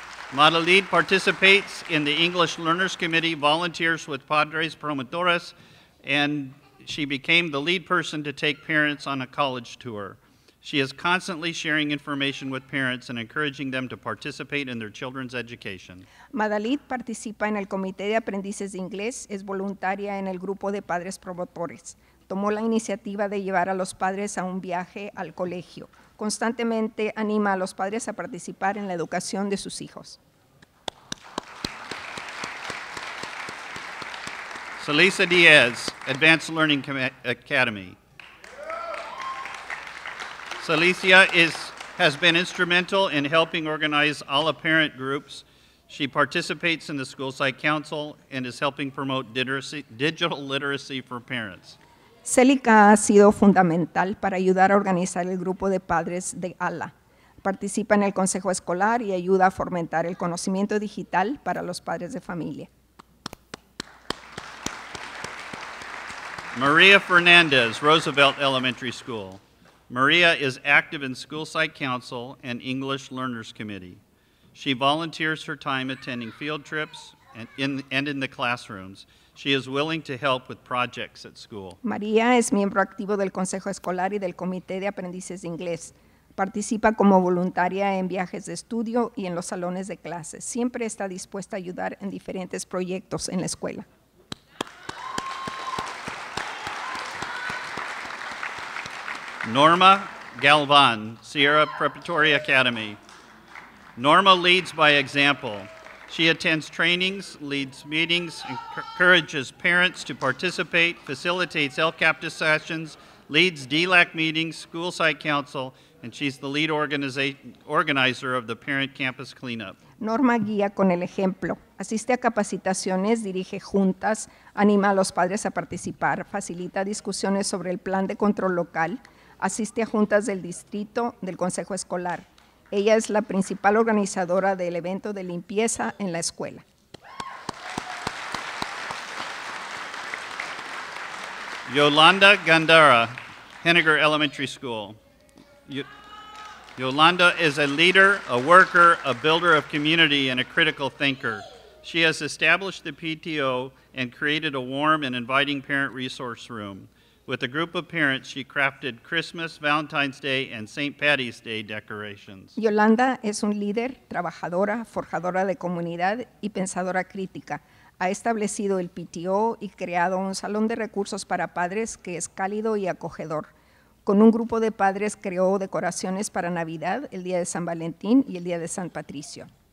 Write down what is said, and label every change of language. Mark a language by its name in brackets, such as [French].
[English] Madalí participates in the English Learners Committee, volunteers with Padres Promotores, and she became the lead person to take parents on a college tour. She is constantly sharing information with parents and encouraging them to participate in their children's education. [Spanish] Madalí participa en el Comité de Aprendices de Inglés, es voluntaria en el grupo de Padres Promotores. Tomó la iniciativa de llevar a los padres a un viaje al colegio. Constantemente anima a los padres a participar en la educación de sus hijos. [English] Celisa Diaz, Advanced Learning Academy. Celisa has been instrumental in helping organize all the parent groups. She participates in the School Site Council and is helping promote digital literacy for parents. [Spanish] Celica ha sido fundamental para ayudar a organizar el grupo de padres de ALA. Participa en el consejo escolar y ayuda a fomentar el conocimiento digital para los padres de familia. [English] Maria Fernandez, Roosevelt Elementary School. Maria is active in School Site Council and English Learners Committee. She volunteers her time attending field trips and in the classrooms. She is willing to help with projects at school. [Spanish] María es miembro activo del Consejo Escolar y del Comité de Aprendices de Inglés. Participa como voluntaria en viajes de estudio y en los salones de clases. Siempre está dispuesta a ayudar en diferentes proyectos en la escuela. [English] Norma Galvan, Sierra Preparatory Academy. Norma leads by example. She attends trainings, leads meetings, encourages parents to participate, facilitates LCAP discussions, leads DLAC meetings, school site council, and she's the lead organizer of the parent campus cleanup. [Spanish] Norma guía con el ejemplo, asiste a capacitaciones, dirige juntas, anima a los padres a participar, facilita discusiones sobre el plan de control local, asiste a juntas del distrito, del consejo escolar. Ella es la principal organizadora del evento de limpieza en la escuela. [English] Yolanda Gandara, Henniger Elementary School. Yolanda is a leader, a worker, a builder of community, and a critical thinker. She has established the PTO and created a warm and inviting parent resource room. With a group of parents, she crafted Christmas, Valentine's Day, and St. Patty's Day decorations. [Spanish] Yolanda es un líder, trabajadora, forjadora de comunidad y pensadora crítica. Ha establecido el PTO y creado un salón de recursos para padres que es cálido y acogedor. Con un grupo de padres creó decoraciones para Navidad, el Día de San Valentín y el Día de San Patricio.